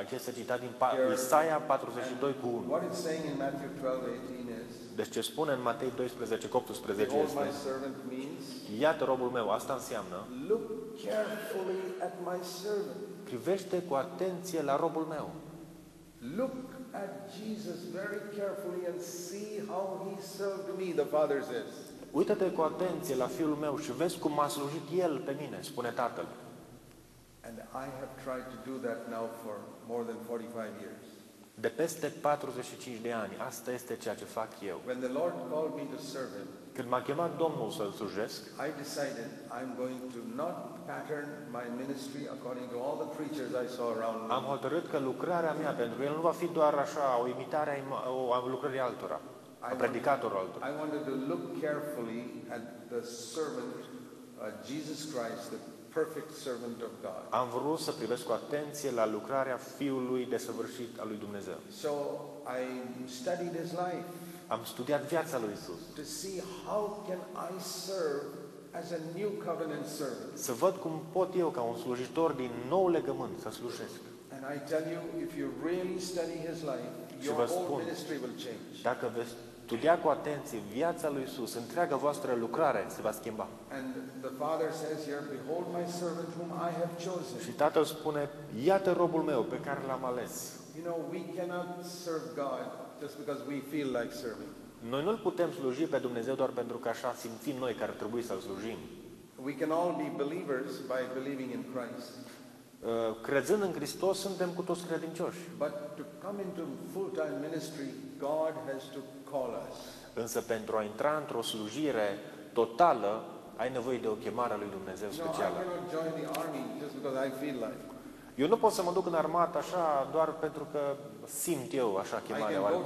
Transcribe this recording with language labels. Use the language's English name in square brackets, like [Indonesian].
[Romanian] Acest citat din Isaia 42 cu 1. [English] What it's saying in Matthew 12:18 is. [Romanian] Deci ce spune în Matei 12:18 este. Iată robul meu, asta înseamnă. [English] Look carefully at my servant. [Romanian] Privește cu atenție la robul meu. [English] Look at Jesus very carefully and see how he served me, the Father says. [Romanian] Uită-te cu atenție la fiul meu și vezi cum m-a slujit el pe mine, spune Tatăl. [English] And I have tried to do that now for more than 45 years. [Romanian] De peste 45 de ani, asta este ceea ce fac eu. [English] When the Lord called me to serve him, [Romanian] când m-a chemat Domnul să-l slujesc, [English] I decided I'm going to not pattern my ministry according to all the preachers I saw around me. [Romanian] Am hotărât că lucrarea mea pentru el nu va fi doar așa o imitare a lucrării altora, a predicatorului altora. [English] I wanted to look carefully at the servant Jesus Christ, the perfect servant of God. [Romanian] Am vrut să privesc cu atenție la lucrarea fiului desăvârșit al lui Dumnezeu. [English] So I studied his life. [Romanian] Am studiat viața lui Isus. [English] To see how can I serve as a new covenant servant. [Romanian] Să văd cum pot eu ca un slujitor din nou legământ să slujesc. [English] And I tell you, if you really study his life, your whole ministry will change. [Romanian] Dacă veți studia cu atenție viața lui Isus, întreaga voastră lucrare se va schimba. [English] And the Father says here, behold my servant whom I have chosen. [Romanian] Și Tatăl spune, iată robul meu pe care l-am ales. [English] You know, we cannot serve God just because we feel like serving. [Romanian] Noi nu-l putem sluji pe Dumnezeu doar pentru că așa simțim noi că ar trebui să-l slujim. [English] We can all be believers by believing in Christ. [Romanian] Crezând în Hristos, suntem cu toți credincioși. [English] But to come into full-time ministry, God has to call us. [Romanian] Însă pentru a intra într-o slujire totală, ai nevoie de o chemare a lui Dumnezeu specială. [English] No, I cannot join the army just because I feel like. [Romanian] Eu nu pot să mă duc în armată așa doar pentru că simt eu așa chemarea.